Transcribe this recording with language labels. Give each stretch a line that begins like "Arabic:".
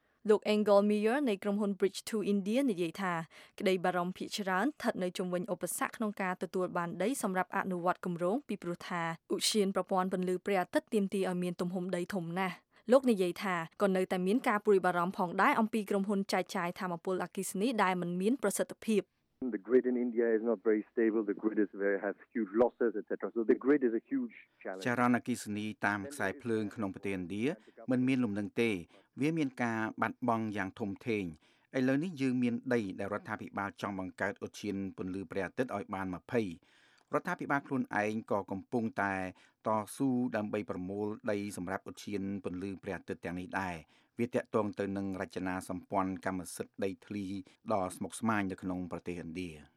Khmer: លោក Engelmeyer នៃក្រុមហ៊ុន Bridge to India និយាយថាក្តីបារម្ភភាគច្រើនស្ថិតនៅជុំវិញឧបសគ្គក្នុងការទទួលបានដីសម្រាប់អនុវត្តគម្រោងពីព្រោះថាឧឈានប្រព័ន្ធពន្លឺព្រះអាទិត្យទាមទារឲ្យមានទំហំដីធំណាស់លោកនិយាយថាក៏នៅតែមានការព្រួយបារម្ភផងដែរអំពីក្រុមហ៊ុនចែកចាយថាមពលអគ្គិសនីដែលមិនមានប្រសិទ្ធភាព
English: The grid in India is not very stable. The grid is very has huge losses, etc. So the grid is a huge challenge.
Khmer: ចរន្តអគ្គិសនីតាមខ្សែភ្លើងក្នុងប្រទេសឥណ្ឌាមិនមានលំនឹងទេវាមានការបាត់បង់យ៉ាងធំធេងឥឡូវនេះយើងមានដីដែលរដ្ឋាភិបាលចង់បង្កើតឧឈានពន្លឺព្រះអាទិត្យឲ្យបាន20រដ្ឋាភិបាលខ្លួនឯងក៏កំពុងតែតស៊ូដើម្បីប្រមូលដីសម្រាប់ឧឈានពន្លឺព្រះអាទិត្យទាំងនេះដែរវាតាក់ទងទៅនឹងរចនាសម្ព័ន្ធកម្មសិទ្ធិដីធ្លីដ៏ស្មុគស្មាញនៅក្នុងប្រទេសឥណ្ឌា